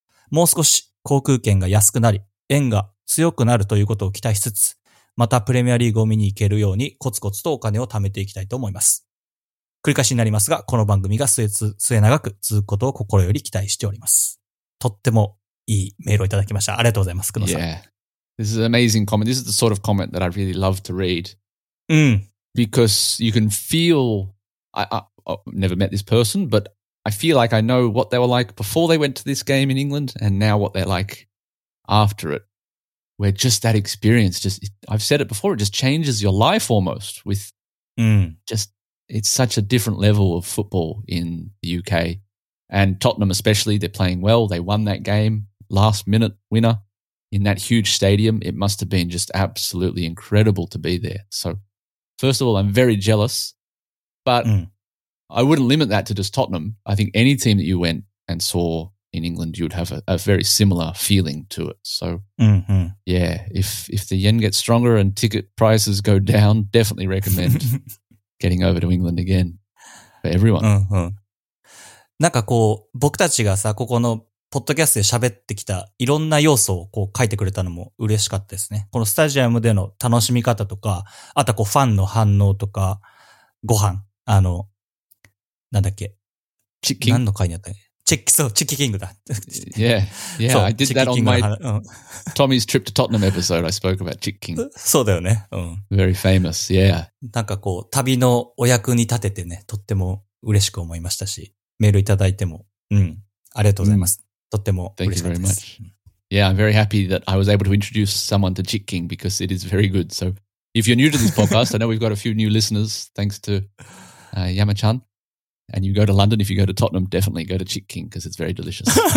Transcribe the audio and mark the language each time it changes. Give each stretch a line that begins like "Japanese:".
Japanese: もう少し航空券が安くなり、円が強くなるということを期待しつつ、またプレミアリーグを見に行けるようにコツコツとお金を貯めていきたいと思います。繰り返しになりますが、この番組が末長く続くことを心より期待しております。とってもいいメールをいただきました。ありがとうございます、久野さん。
English: Yeah. This is an amazing comment. This is the sort of comment that I really love to read. Because you can feel, I've never met this person, but I feel like I know what they were like before they went to this game in England and now what they're like after it. Where just that experience, just, I've said it before, it just changes your life almost with just, it's such a different level of football in the UK. And Tottenham especially, they're playing well. They won that game, last minute winner in that huge stadium. It must have been just absolutely incredible to be there. So first of all, I'm very jealous, but I wouldn't limit that to just Tottenham. I think any team that you went and saw in England, you'd have a very similar feeling to it. So yeah, if the yen gets stronger and ticket prices go down, definitely recommend getting over to England again for everyone.
Japanese: なんかこう、僕たちがさ、ここのポッドキャストで喋ってきたいろんな要素をこう書いてくれたのも嬉しかったですね。このスタジアムでの楽しみ方とか、あとこうファンの反応とか、ご飯、なんだっけ。チキン。何の会にあったっけ？チッキ、そう、チッキキングだ。
English: Yeah, yeah, I did that on my Tommy's trip to Tottenham episode. I spoke about Chick King.
Japanese: そうだよね。
English: Very famous, yeah.
Japanese: なんかこう、旅のお役に立ててね、とっても嬉しく思いましたし、メールいただいても、ありがとうございます。とっても嬉しかったです。
English: Thank you very much. Yeah, I'm very happy that I was able to introduce someone to Chick King because it is very good. So if you're new to this podcast, I know we've got a few new listeners thanks to Yama-chan. And you go to London, if you go to Tottenham, definitely go to Chick King because it's very delicious.